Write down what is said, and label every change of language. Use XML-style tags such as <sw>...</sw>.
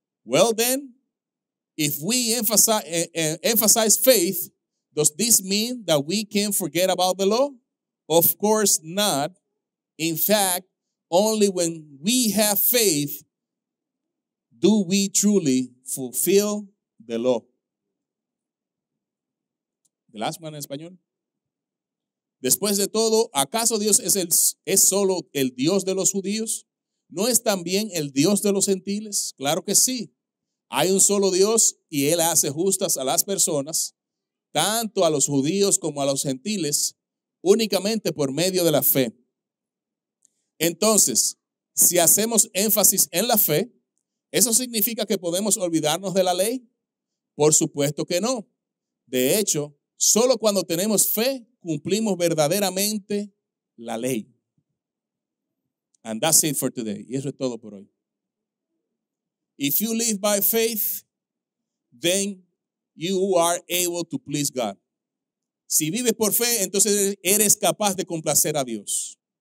<en>Well then, if we emphasize faith, does this mean that we can forget about the law? Of course not. In fact, only when we have faith do we truly fulfill the law. The last one in español.</en> <es>Después de todo, ¿acaso Dios es solo el Dios de los judíos? ¿No es también el Dios de los gentiles? Claro que sí. Hay un solo Dios y Él hace justas a las personas, tanto a los judíos como a los gentiles, únicamente por medio de la fe. Entonces, si hacemos énfasis en la fe, ¿eso significa que podemos olvidarnos de la ley? Por supuesto que no. De hecho, solo cuando tenemos fe, cumplimos verdaderamente la ley.</es> <en>And that's it for today.</en> <es>Y eso es todo por hoy.</es> <en>If you live by faith, then you are able to please God.</en> <es>Si vives por fe, entonces eres capaz de complacer a Dios.</es>